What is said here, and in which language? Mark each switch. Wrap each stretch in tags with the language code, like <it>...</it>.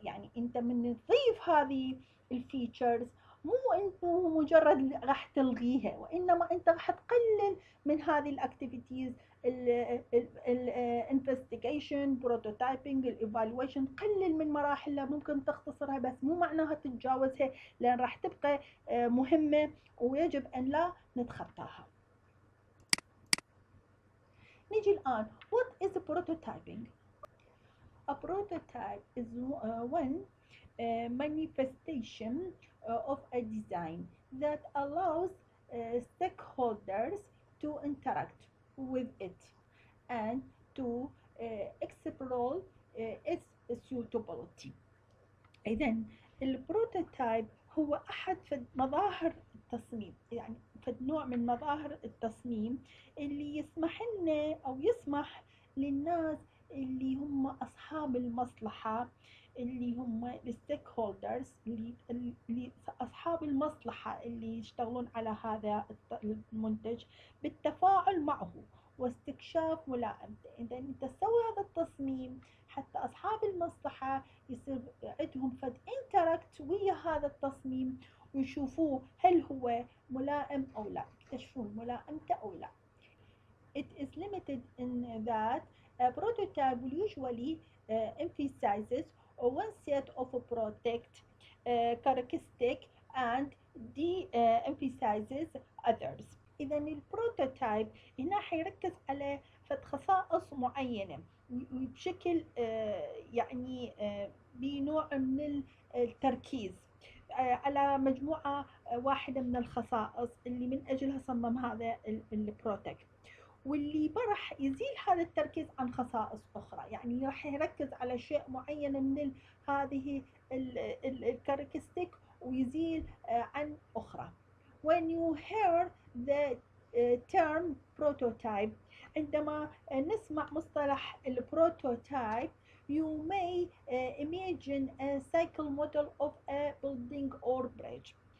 <ar>يعني أنت من تضيف هذه الفيتشرز مو أنت مجرد راح تلغيها، وإنما أنت راح تقلل من هذه الأكتيفيتيز الانفستيجيشن، بروتوتايبينج، الإيفالويشن، قلل من مراحلها، ممكن تختصرها بس مو معناها تتجاوزها، لأن راح تبقى مهمة ويجب أن لا نتخطاها. نجي الآن</ar> <en>What is prototyping? A prototype is one manifestation of a design that allows stakeholders to interact with it and to explore its suitability.</en> <ar>إذن البروتوتايب هو أحد مظاهر التصميم، يعني فد نوع من مظاهر التصميم اللي يسمح لنا أو يسمح للناس اللي هم أصحاب المصلحة اللي هم الستيكهولدرز اللي أصحاب المصلحة اللي يشتغلون على هذا المنتج بالتفاعل معه واستكشاف ملائمته. إذا أنت تسوي هذا التصميم حتى أصحاب المصلحة يصير عندهم فد انتركت ويا هذا التصميم ويشوفوه هل هو ملائم أو لا، يكتشفون ملائمته أو لا.</ar> <en>It is limited in that a prototype usually emphasizes one set of a product characteristic and de-emphasizes others.</en> <ar>إذا البروتوتايب هنا حيركز على فد خصائص معينة بشكل يعني بنوع من التركيز على مجموعة واحدة من الخصائص اللي من أجلها صمم هذا البروتوتايب، واللي ما راح يزيل هذا التركيز عن خصائص أخرى. يعني راح يركز على شيء معين من هذه الكاركستيك ويزيل عن أخرى.</ar> <en>When you hear the term prototype،</en> <ar>عندما نسمع مصطلح البروتوتايب</ar> <en>you may imagine a cycle model of a building or bridge.</en>